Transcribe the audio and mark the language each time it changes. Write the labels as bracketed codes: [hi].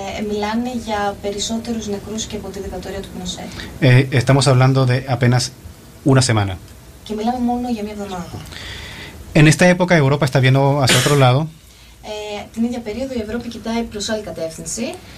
[el] Μιλάνε για περισσότερους νεκρούς και από τη δικτατορία του Πινοσέτ. [es] Estamos hablando de apenas una semana. [el] Και μιλάμε μόνο για μία εβδομάδα. [es] En esta época, Europa está viendo hacia otro lado. [el] Την ίδια περίοδο, η Ευρώπη κοιτάει προς άλλη κατεύθυνση.